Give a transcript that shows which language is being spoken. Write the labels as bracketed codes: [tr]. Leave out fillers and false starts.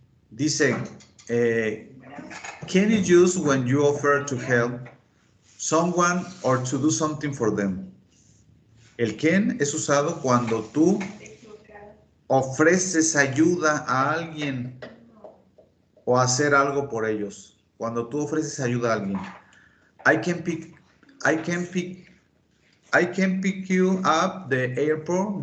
[en] Dice, can you use when you offer to help someone or to do something for them? [es] El can es usado cuando tú ofreces ayuda a alguien o hacer algo por ellos. Cuando tú ofreces ayuda a alguien. [en] I can pick you up at the airport.